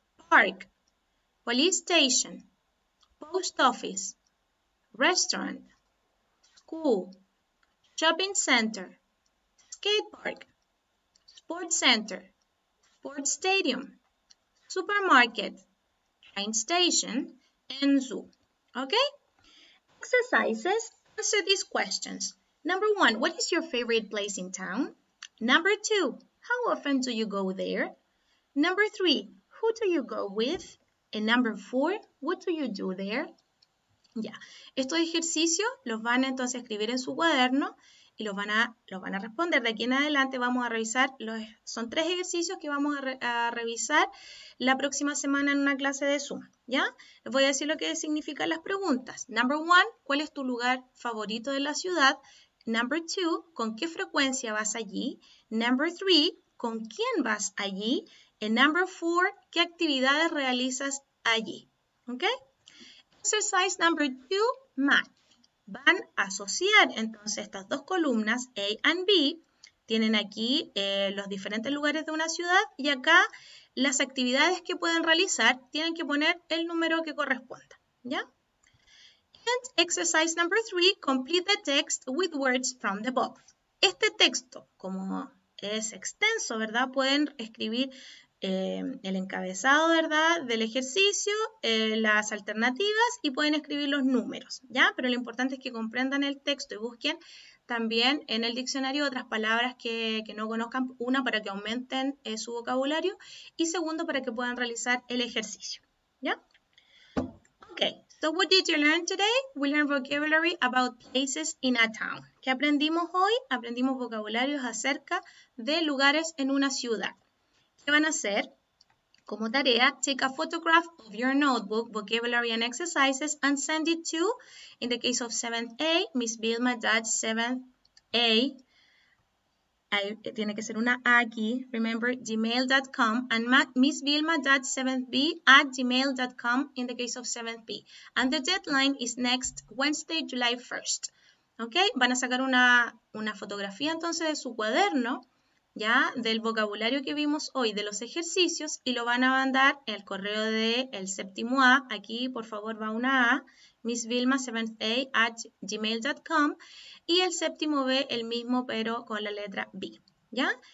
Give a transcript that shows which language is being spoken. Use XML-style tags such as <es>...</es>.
<en>park, police station, post office, restaurant, school, shopping center, skate park, sports center, sports stadium, supermarket, train station, and zoo. Okay? Exercises, answer these questions. Number one, what is your favorite place in town? Number two, how often do you go there? Number three, who do you go with? And number four, what do you do there?</en> <es>Ya, estos ejercicios los van entonces a escribir en su cuaderno y los van a responder. De aquí en adelante vamos a revisar, son tres ejercicios que vamos a revisar la próxima semana en una clase de Zoom. ¿Ya? Les voy a decir lo que significan las preguntas. Number one, ¿cuál es tu lugar favorito de la ciudad? Number two, ¿con qué frecuencia vas allí? Number three, ¿con quién vas allí? And number four, ¿qué actividades realizas allí? ¿Okay? Exercise number two, match. Van a asociar entonces estas dos columnas, A and B. Tienen aquí los diferentes lugares de una ciudad y acá las actividades que pueden realizar, tienen que poner el número que corresponda, ¿ya?</es> <en>And exercise number three, complete the text with words from the box.</en> <es>Este texto, como es extenso, ¿verdad? Pueden escribir el encabezado, ¿verdad?, del ejercicio, las alternativas y pueden escribir los números, ¿ya? Pero lo importante es que comprendan el texto y busquen también en el diccionario otras palabras que no conozcan, una, para que aumenten su vocabulario y segundo, para que puedan realizar el ejercicio, ¿ya?</es> <en>Okay, so what did you learn today? We learned vocabulary about places in a town.</en> <es>¿Qué aprendimos hoy? Aprendimos vocabularios acerca de lugares en una ciudad.</es> <en>¿Qué van a hacer? Como tarea, take a photograph of your notebook, vocabulary and exercises and send it to, in the case of 7A, Miss Vilma, that's 7A, tiene que ser una A aquí, remember, gmail.com and missvilma.7b@gmail.com in the case of 7B. And the deadline is next Wednesday, July 1st. Okay?</en> <es>Van a sacar una fotografía entonces de su cuaderno, ya, del vocabulario que vimos hoy, de los ejercicios, y lo van a mandar el correo del séptimo A, aquí por favor va una A, missvilma7a@gmail.com, y el séptimo B, el mismo pero con la letra B, ¿ya?</es>